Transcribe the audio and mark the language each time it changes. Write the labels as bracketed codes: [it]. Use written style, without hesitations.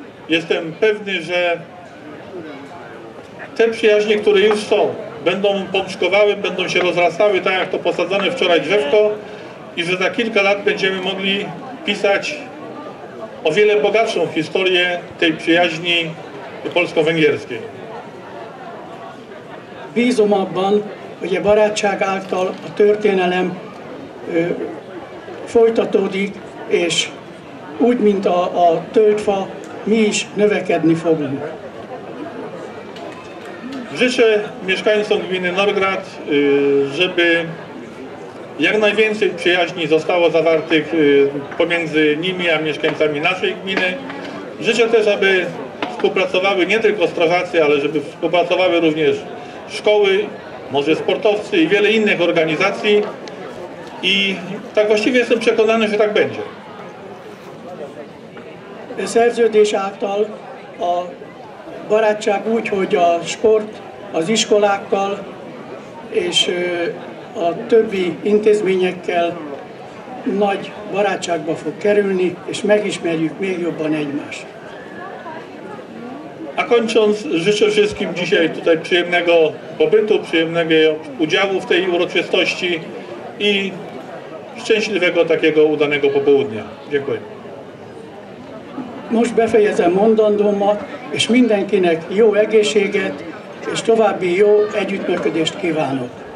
[pl] Jestem pewny, że te przyjaźnie, które już są, będą pączkowały, będą się rozrastały, tak jak to posadzone wczoraj drzewko, i że za kilka lat będziemy mogli pisać o wiele bogatszą historię tej przyjaźni polsko-węgierskiej. [hu] Bízom abban, hogy a barátság által a történelem folytatódik, és úgy, mint a töltfa, mi is növekedni fogunk. [pl] Życzę mieszkańcom gminy Norgrad, żeby jak najwięcej przyjaźni zostało zawartych pomiędzy nimi a mieszkańcami naszej gminy. Życzę też, aby współpracowały nie tylko strażacy, ale żeby współpracowały również szkoły, może sportowcy i wiele innych organizacji. I tak właściwie jestem przekonany, że tak będzie. [hu] Szerződés által a barátság úgy, hogy a sport az iskolákkal és a többi intézményekkel nagy barátságba fog kerülni, és megismerjük még jobban egymást. [pl] A kończąc, życzę wszystkim dzisiaj tutaj przyjemnego pobytu, przyjemnego udziału w tej uroczystości i szczęśliwego takiego udanego popołudnia. Dziękuję. [hu] Most befejezem mondandómat, és mindenkinek jó egészséget, és további jó együttműködést kívánok.